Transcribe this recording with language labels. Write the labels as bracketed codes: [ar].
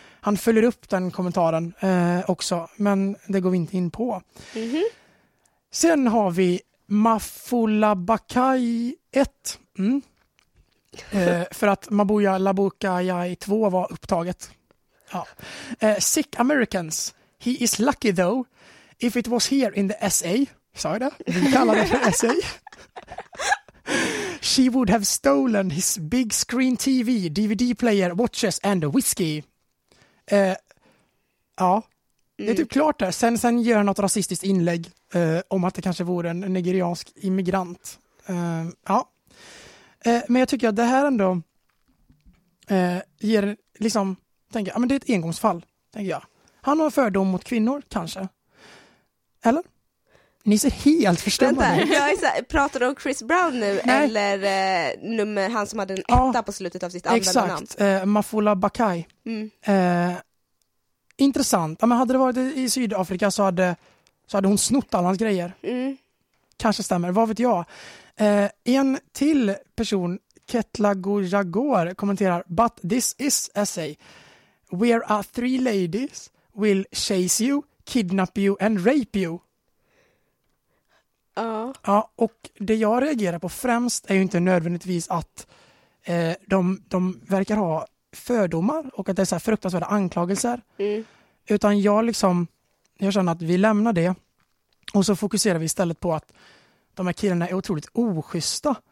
[sv] Han följer upp den kommentaren också, men det går vi inte in på. Mm-hmm. Sen har vi Mafula Bakai 1. Mm. För att Mabuya Labukaya 2 var upptaget. [en] Ja. Sick Americans. He is lucky though. If it was here in the SA, [sv] sa jag det? Vi kallar det för SA. [en] She would have stolen his big screen TV, DVD player, watches and whiskey. [sv] Ja, det är typ klart det. Sen gör något rasistiskt inlägg om att det kanske vore en nigeriansk immigrant. Ja. Men jag tycker att det här ändå ger liksom, tänker jag, men det är ett engångsfall, tänker jag. Han har fördom mot kvinnor, kanske. Eller? Ni ser helt förstämmande. Pratar du om Chris Brown nu? Nej. Eller nummer han som hade en etta på slutet av sitt andra namn? Exakt, Mafula Bakai. Mm. Intressant. Ja, men hade det varit i Sydafrika så hade hon snott alla hans grejer. Mm. Kanske stämmer, vad vet jag. En till person, Ketla Gojagor, kommenterar: [en] but this is SA. Where are three ladies will chase you, kidnap you and rape you. [sv] Ja, och det jag reagerar på främst är ju inte nödvändigtvis att de verkar ha fördomar och att det är så här fruktansvärda anklagelser. Utan jag känner att vi lämnar det och så fokuserar vi istället på att de här killarna är otroligt oschyssta.